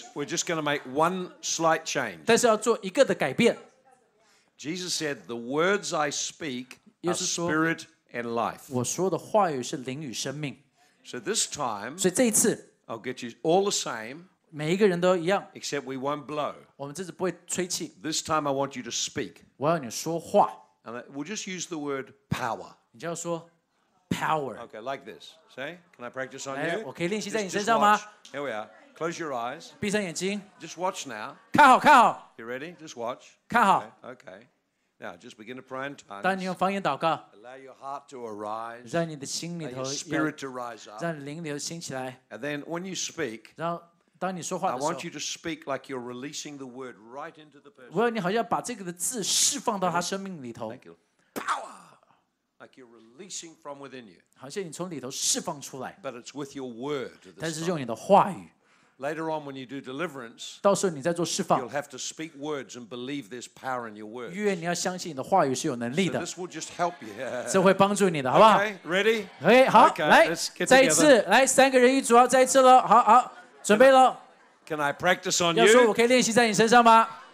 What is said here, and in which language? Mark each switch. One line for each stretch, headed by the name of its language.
English: We're just going to make one slight change.
Chinese: 但是要做一个的改变。
English: Jesus said, "The words I speak are spirit and life."
Chinese: 我说的话语是灵与生命。
English: So this time,
Chinese: 所以这一次
English: I'll get you all the same.
Chinese: 每一个人都一样。
English: Except we won't blow.
Chinese: 我们这次不会吹气。
English: This time I want you to speak.
Chinese: 我要你说话。
English: And we'll just use the word power.
Chinese: 你就要说。Power.
English: Okay, like this. Say, can I practice on you?
Chinese: 我可以练习在你身上吗
English: Here we are. Close your eyes.
Chinese: 闭上眼睛
English: Just watch now.
Chinese: 看好，看好
English: You ready? Just watch.
Chinese: 看好
English: Okay. Now, just begin to pray in tongues.
Chinese: 当你用方言祷告
English: Allow your heart to arise.
Chinese: 让你的心里头
English: Allow your spirit to rise up.
Chinese: 让灵里头兴起来
English: And then, when you speak,
Chinese: 然后当你说话的时候
English: I want you to speak like you're releasing the word right into the person.
Chinese: 我要你好像把这个的字释放到他生命里头
English: Thank you. Power. Like you're releasing from within you.
Chinese: 好像你从里头释放出来。
English: But it's with your word.
Chinese: 但是用你的话语。
English: Later on, when you do deliverance,
Chinese: 到时候你在做释放。
English: You'll have to speak words and believe there's power in your words.
Chinese: 预言你要相信你的话语是有能力的。
English: So this will just help you.
Chinese: 这会帮助你的，好不好
English: ？Okay, ready? Okay, 好， okay,
Chinese: 来，
English: let's get
Chinese: 再一次，
English: together.
Chinese: 来，三个人一组啊，再一次了，好好，准备了。
English: Can I practice on you?
Chinese: 要说我可以练习在你身上吗？